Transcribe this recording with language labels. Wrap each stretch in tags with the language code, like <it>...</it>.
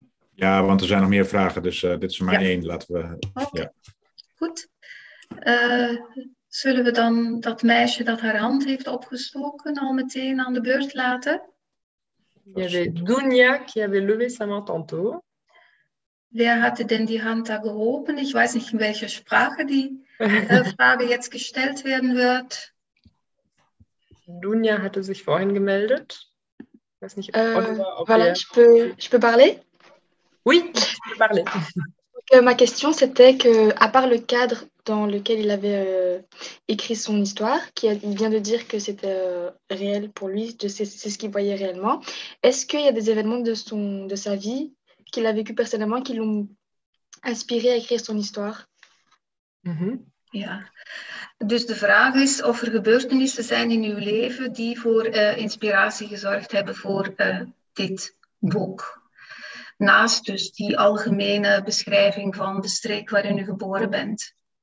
<nl>Ja, want er zijn nog meer vragen, dus dit is er maar één. Laten we. Okay. Ja. Goed. Zullen we dan dat meisje dat haar hand heeft opgestoken al meteen aan de beurt laten?</nl> <fr>Il y avait Dunja qui avait levé sa main tantôt.</fr> <de>Wer hatte denn die Hand da gehoben? Ich weiß nicht, in welcher Sprache die Frage jetzt gestellt werden wird. Dunja hatte sich vorhin gemeldet. Ich weiß nicht,</de> <fr>je peux parler? Oui, je peux parler. Ma question, c'était que, à part le cadre dans lequel il avait écrit son histoire, qui vient de dire que c'était réel pour lui, c'est ce qu'il voyait réellement, est-ce qu'il y a des événements de sa vie qu'il a vécu personnellement qui l'ont inspiré à écrire son histoire?</fr> <nl>Mm-hmm. Ja. Dus de vraag is of er gebeurtenissen zijn in uw leven die voor inspiratie gezorgd hebben voor dit boek. Naast dus die algemene beschrijving van de streek waarin u geboren bent.</nl>